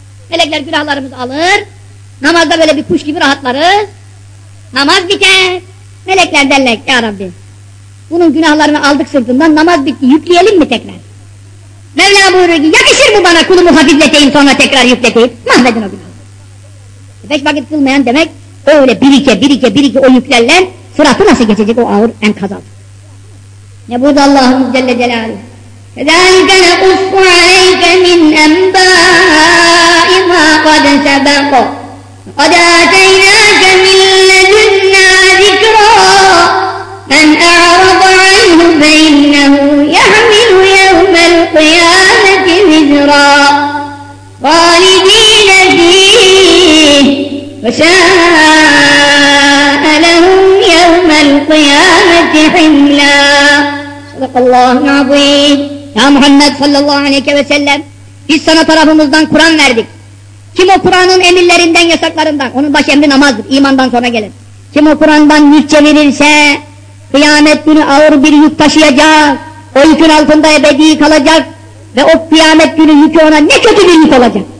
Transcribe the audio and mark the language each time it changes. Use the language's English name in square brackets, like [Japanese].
[Turkish] Melekler günahlarımızı alır, namazda böyle bir kuş gibi rahatlarız, namaz biter, melekler derler ki ya Rabbi, bunun günahlarını aldık sırtından, namaz bitti, yükleyelim mi tekrar? Mevla buyuruyor ki, yakışır mı bana kulumu hafifleteyim sonra tekrar yükleteyim, mahvedin o günahı. Beş vakit kılmayan demek, öyle birike o yüklerle sıratı nasıl geçecek o ağır enkaz aldı. Ne burada Allah'ım Celle Celaluhu? [Arabic] كذلك نقص عليك من أنباء ما قد سبق قد آتيناك من لدنا ذكرا من أعرض عنه فإنه يحمل يوم القيامة وزرا خالدين فيه وساء لهم يوم القيامة حملا صدق الله العظيم. [Turkish] Ya Muhammed sallallahu aleyhi ve sellem, biz sana tarafımızdan Kur'an verdik. Kim o Kur'an'ın emirlerinden, yasaklarından, onun baş emri namazdır, imandan sonra gelir. Kim o Kur'an'dan yük çevirirse, kıyamet günü ağır bir yük taşıyacak, o yükün altında ebedi kalacak ve o kıyamet günü yükü ona ne kötü bir yük olacak.